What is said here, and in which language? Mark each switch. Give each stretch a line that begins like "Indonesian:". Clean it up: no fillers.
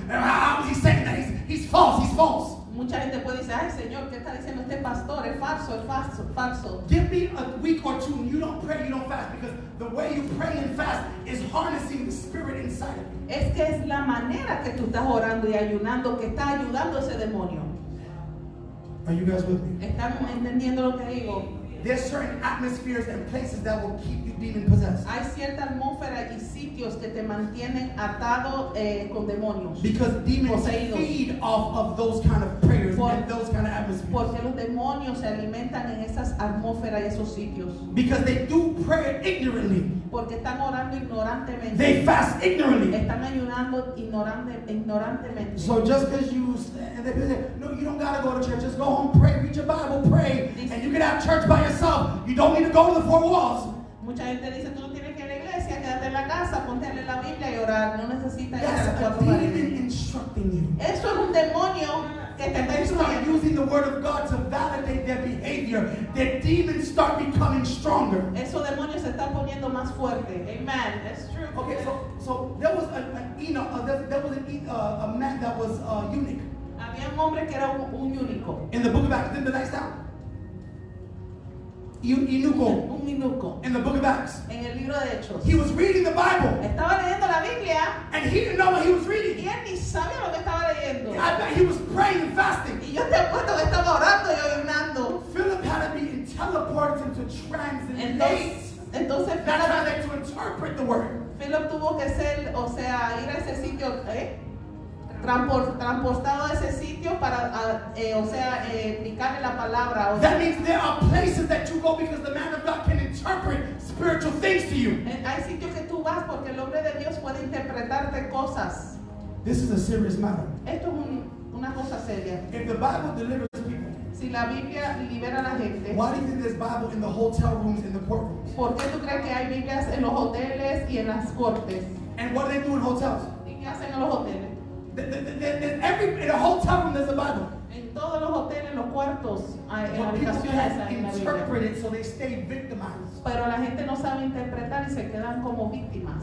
English: And how is he saying that? He's false.
Spanish: Mucha gente puede decir, ay, Señor, ¿qué está diciendo este pastor? Es falso.
English: Give me a week or two, and you don't pray, you don't fast, because the way you pray and fast is harnessing the spirit inside of you.
Spanish: Es que es la manera que tú estás orando y ayunando que está ayudando ese demonio.
English: Are you guys with me?
Spanish: ¿Están entendiendo lo que digo?
English: There's certain atmospheres and places that will keep you demon possessed.
Spanish: Hay cierta atmósfera y sitios que te mantienen atado con demonios.
English: Because demons
Spanish: poseídos
English: feed off of those kind of prayers and those kind of atmospheres.
Spanish: Porque los demonios se alimentan en esas atmósferas y esos sitios.
English: Because they do prayer ignorantly.
Spanish: Porque están orando ignorantemente.
English: They fast ignorantly.
Spanish: Están ayunando ignorantemente.
English: So just because you stand there, no, you don't gotta go to church. Just go home, pray, read your Bible, pray, and you can have church by yourself. You don't need to go to the four walls.
Spanish: Mucha gente dice, tú no tienes que ir a la iglesia, quédate en la casa, ponte a leer la Biblia y orar. No necesitas ir a las cuatro paredes.
English: That's a demon instructing you.
Spanish: Eso es un demonio.
English: And they start using the word of God to validate their behavior. Their demons start becoming stronger.
Spanish: Eso demonio se está poniendo más fuerte.
English: Amen. That's true. Okay, so there was a man that was eunuch.
Spanish: Había un hombre que era un eunuco.
English: In the book of Acts, didn't the lights down?
Spanish: Eunuco. Un eunuco.
English: In the book of Acts.
Spanish: En el libro de Hechos.
English: He was reading the Bible.
Spanish: Estaba leyendo la Biblia.
English: And he didn't know what he was reading.
Spanish: Y él ni sabía lo que estaba leyendo.
English: He was praying and fasting.
Spanish: Y yo te apuesto que estaba orando y ayunando.
English: Philip had to be teleport them to translate.
Spanish: Entonces,
English: translate to interpret the word.
Spanish: Philip tuvo que ser, o sea, ir a ese sitio, transportado a ese sitio para, o sea, explicarle la palabra. O sea.
English: That means there are places that you go because the man of God can interpret spiritual things to you.
Spanish: Hay sitios que tú vas porque el hombre de Dios puede interpretarte cosas.
English: This is a serious matter.
Spanish: Esto es una cosa seria.
English: If the Bible delivers people,
Spanish: si la Biblia libera a la gente,
English: why do you think there's Bible in the hotel rooms in the courtrooms?
Spanish: ¿Por qué tú crees que hay Biblias en los hoteles y en las cortes?
English: And what do they do in hotels?
Spanish: ¿Y qué hacen en los hoteles?
English: In a hotel room, there's a Bible.
Spanish: En todos los hoteles, los cuartos, hay
English: but people can't interpret it, so they stay victimized.
Spanish: Pero la gente no sabe interpretar y se quedan como víctimas.